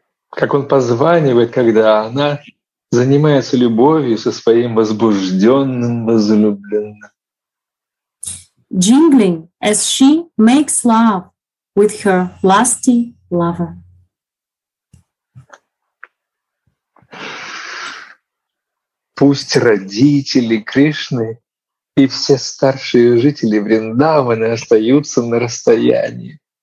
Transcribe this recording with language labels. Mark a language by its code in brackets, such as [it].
[ru] Как он позванивает, когда она занимается любовью со своим возбужденным возлюбленным. [en] Jingling as she makes love with her lusty lover. [ru] Пусть родители Кришны и все старшие жители Вриндаваны остаются на расстоянии.